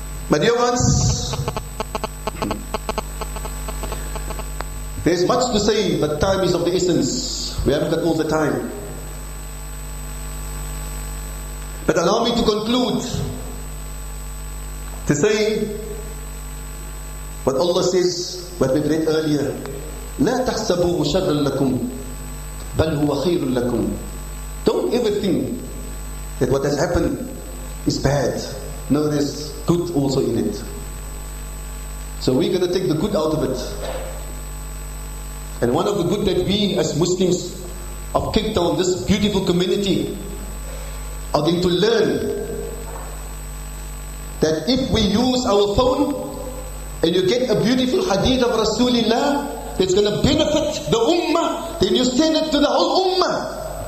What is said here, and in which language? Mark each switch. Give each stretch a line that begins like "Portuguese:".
English: My dear ones, there's much to say, but time is of the essence. We haven't got all the time. But allow me to conclude to say what Allah says, what we read earlier.
Arabic: لا تحسبوا شرا لكم بل هو خير لكم.
English: Don't ever think that what has happened is bad. No, there's good also in it. So we're going to take the good out of it. And one of the good that we as Muslims of Cape Town, this beautiful community, are going to learn that if we use our phone and you get a beautiful hadith of Rasulullah that's going to benefit the ummah, then you send it to the whole ummah.